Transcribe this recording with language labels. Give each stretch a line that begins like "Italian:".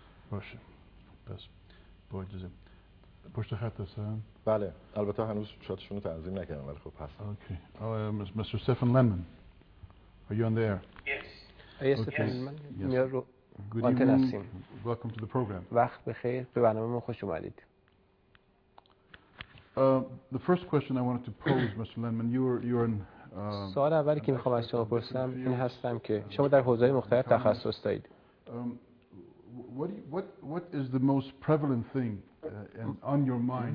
Persian: باشه، پس با اجازه پشت خط هستم؟ بله، البته هنوز شاتشون رو تنظیم نکردم ولی خب هستم.
English: Okay. Mister Stephen Landman, are you on there? Yes.
Persian: آیا استفن لندمن؟ یارو آنتن هستیم.
English: Welcome to the program.
Persian: وقت بخیر، به برنامه ما خوش اومدید.
English: The first question I wanted to pose, Mr. Lendman, you are an
Persian: سوال اولی که میخوام از شما بپرسم این هستم که شما در حوزه‌های مختلف تخصص دارید.
English: What is the most prevalent thing on your mind?